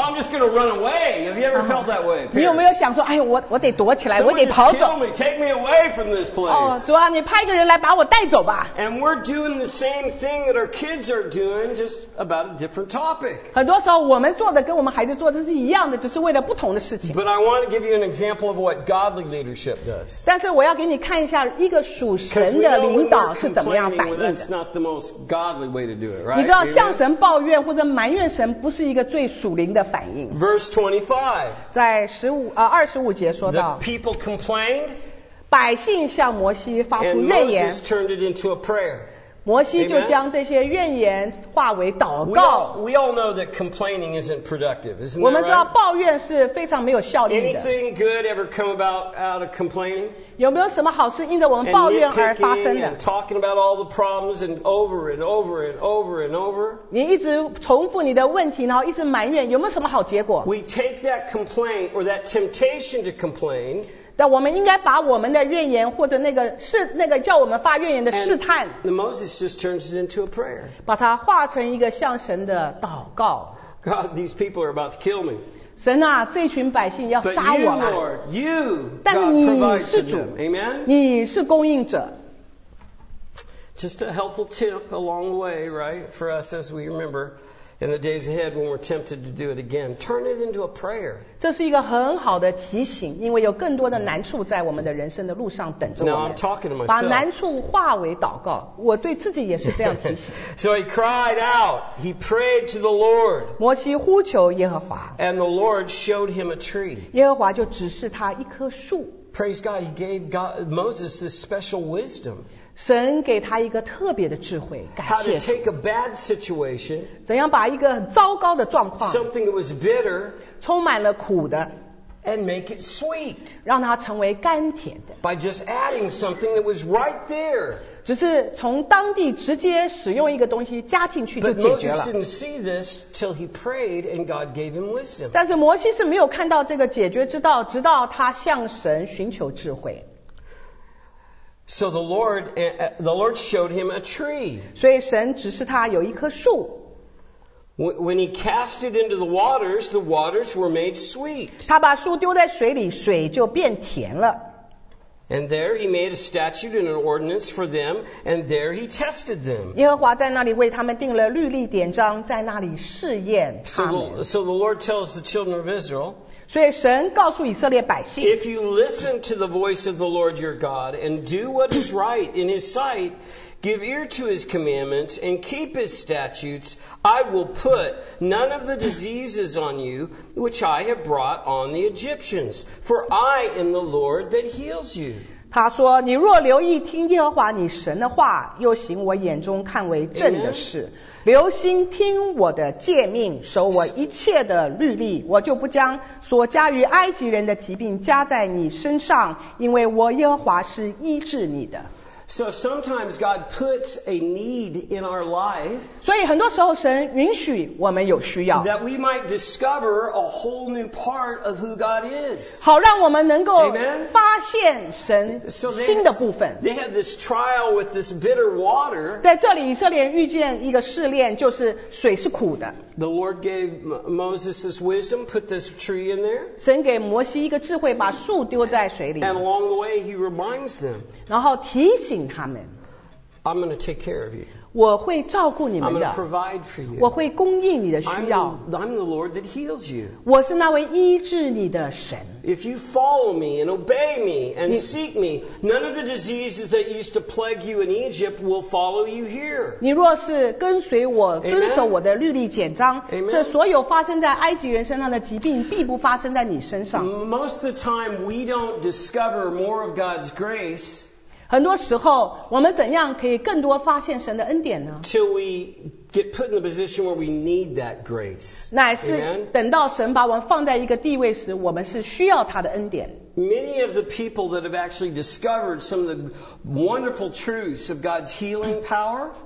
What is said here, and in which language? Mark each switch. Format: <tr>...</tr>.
<en>I'm just going to run away. Have you ever felt that way?、Parents?</en> <zh>你有没有想说哎呦我得躲起来</zh> <en>Someone</en> <zh>我得跑走</zh> <en>me, take me away from this place.、</en> <zh>哦、主啊你派个人来把我带走吧</zh> <en>And we're doing the same thing that our kids are doing just about a different topic</en> <zh>很多时候我们做的跟我们孩子做的是一样的只是为了不同的事情</zh> <en>But I want to give you an example of what godly leadership does</en> <zh>但是我要给你看一下一个属神的领导是怎么样反应的</zh> <en>well, That's not the most godly way to do it, right?</en> <zh>你知道向神抱怨或者埋怨神不是一个最属灵的反应</zh> <en>Verse 25</en> <zh>在25节说</zh> <en>The people complained.</en> <zh>百姓向摩西发出怨言。</zh> <en>And Moses turned it into a prayer.</en> <zh>摩西就将这些怨言化为祷告。</zh> <en>We all know that complaining isn't productive, isn't it?</en> <zh>我们知道抱怨是非常没有效力的。</zh> <en>Anything good ever come about out of complaining?</en> <zh>有没有什么好事因着我们抱怨而发生的？</zh> <en>And talking about all the problems and over and over and over and over.</en> <zh>你一直重复你的问题，然后一直埋怨，有没有什么好结果？</zh> <en>We take that complaint or that temptation to complain.</en> <zh>但我们应该把我们的怨言或者那个叫我们发怨言的试探</zh> <en>And Moses just turns it into a prayer.</en> <zh>把它化成一个向神的祷告</zh> <en>God, these people are about to kill me.</en> <zh>神啊这群百姓要杀我们</zh> <en>But you, Lord, you, God provides to them. Amen?</en> <zh>你是供应者</zh> <en>Just a helpful tip along the way, right, for us as we remember. In the days ahead when we're tempted to do it again, turn it into a prayer.</en> <zh>这是一个很好的提醒因为有更多的难处在我们的人生的路上等着我们</zh> <en>Now I'm talking to myself.</en> <zh>把难处化为祷告我对自己也是这样提醒</zh> <en>So he cried out, he prayed to the Lord.</en> <zh>摩西呼求耶和华</zh> <en>And the Lord showed him a tree.</en> <zh>耶和华就指示他一棵树</zh> <en>Praise God, he gave God, Moses this special wisdom.</en> <zh>神给他一个特别的智慧感谢</zh> <en>How to take a bad situation,</en> <zh>怎样把一个很糟糕的状况</zh> <en>something that was bitter,</en> <zh>充满了苦的</zh> <en>and make it sweet,</en> <zh>让它成为甘甜的</zh> <en>by just adding something that was right there,</en> <zh>只是从当地直接使用一个东西加进去就解决了</zh> <en>But Moses didn't see this till he prayed and God gave him wisdom.</en> <zh>但是摩西是没有看到这个解决之道直到他向神寻求智慧</zh> <en>So the Lord showed him a tree.</en> <zh>所以神指示他有一棵树。</zh> <en>When he cast it into the waters were made sweet.</en> <zh>他把树丢在水里，水就变甜了。</zh> <en>And there he made a statute and an ordinance for them, and there he tested them.</en> <zh>耶和华在那里为他们定了律例典章，在那里试验他们。</zh> <en>So the Lord tells the children of Israel.</en> <zh>所以神告诉以色列百姓</zh> <en>If you listen to the voice of the Lord your God and do what is right in his sight, give ear to his commandments and keep his statutes, I will put none of the diseases on you which I have brought on the Egyptians, for I am the Lord that heals you.</en> <zh>他说你若留意听耶和华你神的话又行我眼中看为正的事、Amen. 留心听我的诫命守我一切的律例我就不将所加于埃及人的疾病加在你身上因为我耶和华是医治你的</zh> <en>So sometimes God puts a need in our life.</en> <zh>所以很多时候神允许我们有需要。</zh> <en>That we might discover a whole new part of who God is.</en> <zh>好让我们能够发现神新的部分。</zh> <en>They have this trial with this bitter water.</en> <zh>在这里以色列遇见一个试炼，就是水是苦的。</zh> <en>The Lord gave Moses this wisdom, put this tree in there.</en> <zh>神给摩西一个智慧，把树丢在水里。</zh> <en>And along the way, He reminds them.</en> <zh>然后提醒他们。</zh> <en>I'm going to take care of you.</en> <zh>我会照顾你们的。</zh> <en>I'm going to provide for you.</en> <zh>我会供应你的需要。</zh> <en>I'm the Lord that heals you.</en> <zh>我是那位医治你的神。</zh> <en>If you follow me and obey me and seek me, none of the diseases that used to plague you in Egypt will follow you here.</en> <zh>你若是跟随我，遵守我的律例典章，这所有发生在埃及人身上的疾病，必不发生在你身上。</zh> <en>Most of the time, we don't discover more of God's grace.</en> <zh>很多时候，我们怎样可以更多发现神的恩典呢？</zh> <en>Till we get put in the position where we need that grace.</en> <zh>乃是等到神把我们放在一个地位时，我们是需要他的恩典。</zh> <en>Many of the people that have actually discovered some of the wonderful truths of God's healing power.</en>